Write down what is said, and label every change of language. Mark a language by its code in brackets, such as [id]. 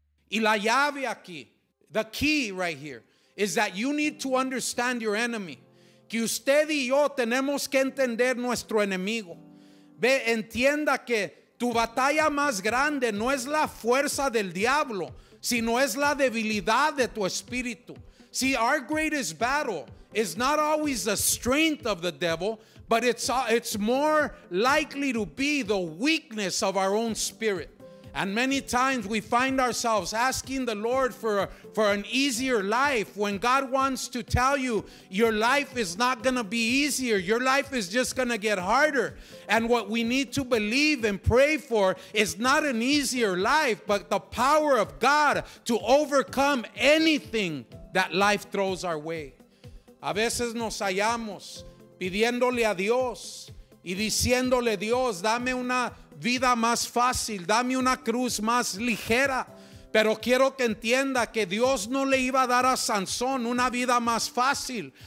[es] Y la llave aquí, [en] the key right here, is that you need to understand your enemy. [es] Que usted y yo tenemos que entender nuestro enemigo. Ve, entienda que tu batalla más grande no es la fuerza del diablo, sino es la debilidad de tu espíritu. [en] See, our greatest battle is not always the strength of the devil, but it's more likely to be the weakness of our own spirit. And many times we find ourselves asking the Lord for an easier life when God wants to tell you your life is not going to be easier. Your life is just going to get harder. And what we need to believe and pray for is not an easier life, but the power of God to overcome anything that life throws our way. [es] A veces nos hallamos pidiéndole a Dios y diciéndole, Dios, dame una vida más fácil, dame una cruz más ligera. Pero quiero que entienda que Dios no le iba a dar a Sansón una vida más fácil.